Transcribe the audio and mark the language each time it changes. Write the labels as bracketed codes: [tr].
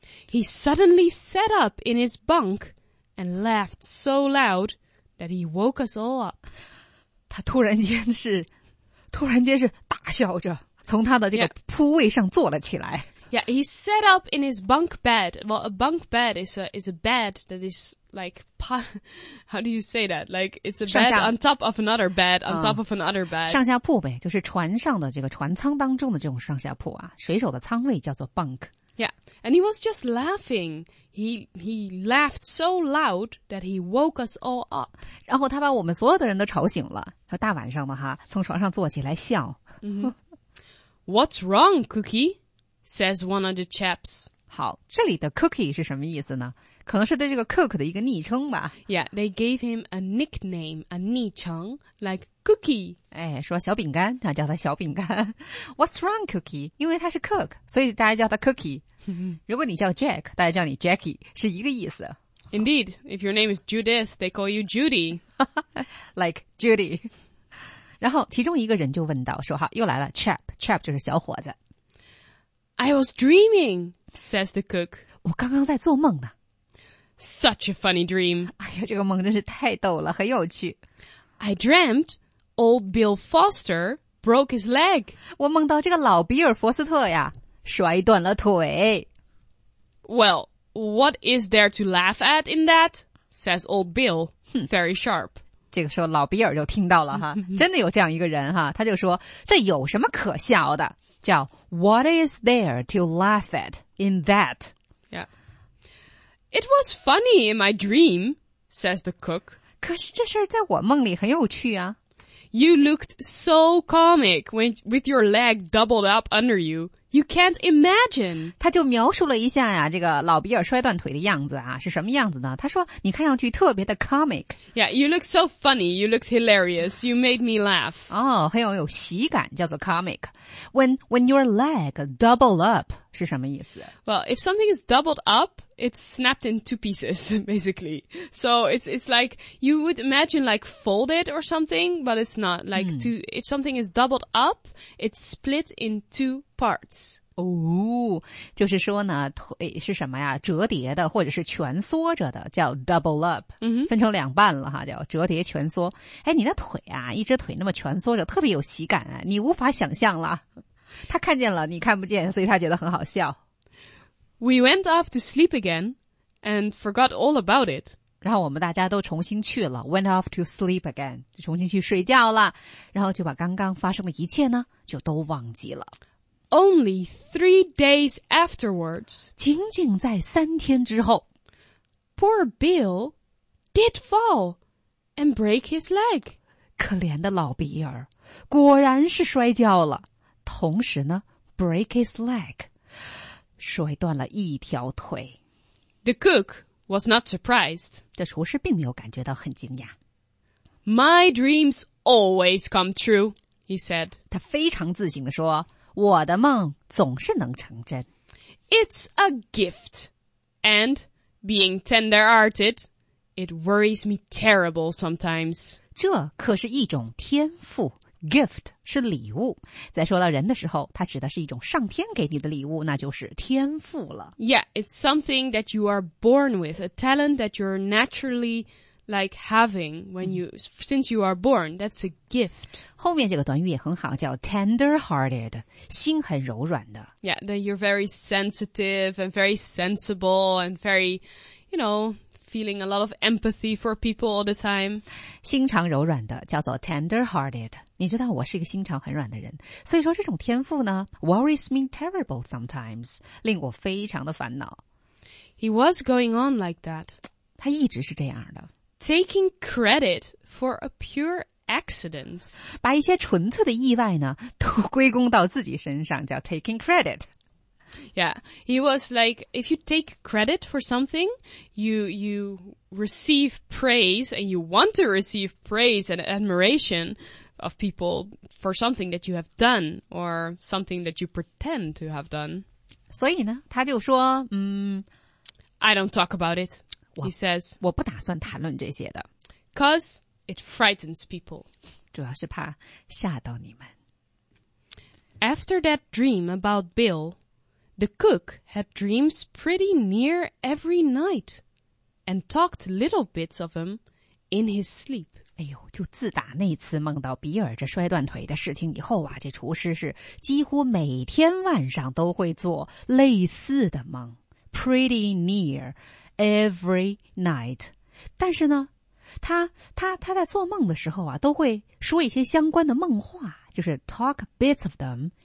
[en] He suddenly sat up in his bunk and laughed so loud that he woke us all up. [zh] 他突然间是大笑着从他的这个铺位上坐了起来。 [en] Yeah, he sat up in his bunk bed. Well, a bunk bed is a bed that is like, how do you say that? Like, it's a bed on top of another bed, on top of another bed. [zh] 上下铺呗，就是船上的这个船舱当中的这种上下铺啊，水手的舱位叫做 bunk。 [en] Yeah, and he was just laughing. He laughed so loud that he woke us all up. [zh] 然后他把我们所有的人都吵醒了。说大晚上的哈，从床上坐起来笑。 [en] Mm-hmm. What's wrong, Cookie? Says one of the chaps. [zh] 好，这里的 Cookie 是什么意思呢？可能是对这个 Cook 的一个昵称吧。 [en] Yeah, they gave him a nickname, a 昵称 like Cookie. [zh] 哎，说小饼干，他叫他小饼干。 [en] What's wrong, Cookie? [zh] 因为他是 Cook, 所以大家叫他 Cookie. 如果你叫 Jack, 大家叫你 Jackie, 是一个意思。 [en] Indeed, if your name is Judith, they call you Judy. like Judy. [zh] 然后其中一个人就问到，说哈，又来了 Chap, Chap 就是小伙子。 [en] I was dreaming, says the cook. [zh] 我刚刚在做梦呢。 [en] Such a funny dream. [zh] 哎呀，这个梦真是太逗了，很有趣。 [en] I dreamt old Bill Foster broke his leg. [zh] 我梦到这个老比尔·福斯特呀，摔断了腿。 [en] Well, what is there to laugh at in that? Says old Bill, very sharp. [zh] 这个时候老比尔就听到了哈，真的有这样一个人哈，他就说，这有什么可笑的？ [en] 叫 What is there to laugh at in that? Yeah. It was funny in my dream, says the cook. [zh] 可是这事儿在我梦里很有趣啊。 [en] You looked so comic when, with your leg doubled up under you. You can't imagine. [zh] 他就描述了一下呀、啊、这个老比尔摔断腿的样子啊是什么样子呢，他说你看上去特别的 comic. [en] Yeah, you look so funny. You looked hilarious. You made me laugh. [zh] 哦，很有喜感，叫做 comic. [en] When your leg doubled up [zh] 是什么意思？ [en] Well, if something is doubled up,It's snapped in two pieces, basically. So it's like, you would imagine like folded or something, but it's not. Like, if something is doubled up, it's split in two parts. [zh] 哦，就是说呢，腿是什么呀？折叠的或者是蜷缩着的，叫 double up，嗯，分成两半了哈，叫折叠蜷缩。哎，你的腿啊，一只腿那么蜷缩着，特别有喜感啊，你无法想象了。他看见了，你看不见，所以他觉得很好笑。 [en] We went off to sleep again and forgot all about it. [zh] 然后我们大家都重新去了 , [en] went off to sleep again, [zh] 重新去睡觉了，然后就把刚刚发生的一切呢就都忘记了。 [en] Only 3 days afterwards, [zh] 仅仅在三天之后 [en] ,poor Bill did fall and break his leg. [zh] 可怜的老比尔果然是摔跤了，同时呢 , [en] break his leg。 [zh] 摔断了一条腿。 [en] The cook was not surprised. [zh] 这厨师并没有感觉到很惊讶。 [en] My dreams always come true, he said. [zh] 他非常自信地说，我的梦总是能成真。 [en] It's a gift. And being tender-hearted, it worries me terrible sometimes. [zh] 这可是一种天赋。 Gift 是礼物，在说到人的时候，它指的是一种上天给你的礼物，那就是天赋了。 [en] Yeah, it's something that you are born with, a talent that you're naturally like having when you, since you are born, that's a gift. [zh] 后面这个短语也很好，叫 tender-hearted, 心很柔软的。 [en] Yeah, that you're very sensitive and very sensible and very, you know... feeling a lot of empathy for people all the time. [zh] 心肠柔软的叫做 tender-hearted. 你知道我是一个心肠很软的人，所以说这种天赋呢 [en] worries me terrible sometimes, [zh] 令我非常的烦恼。 [en] He was going on like that. [zh] 他一直是这样的。 [en] Taking credit for a pure accident. [zh] 把一些纯粹的意外呢都归功到自己身上，叫 [en] taking credit. Yeah, he was like, if you take credit for something, you receive praise and you want to receive praise and admiration of people for something that you have done or something that you pretend to have done. [zh] 所以呢，他就说， [en] I don't talk about it, he says. [zh] 我不打算谈论这些的。 [en] Because it frightens people. [zh] 主要是怕吓到你们。 [en] After that dream about Bill... The cook had dreams pretty near every night and talked little bits of them in his sleep. [zh] 哎呦，就自打那次梦到比尔这摔断腿的事情以后啊，这厨师是几乎每天晚上都会做类似的梦。 [en] Pretty near every night. [zh] 但是呢，他在做梦的时候啊，都会说一些相关的梦话，就是 [en] talk bits of them.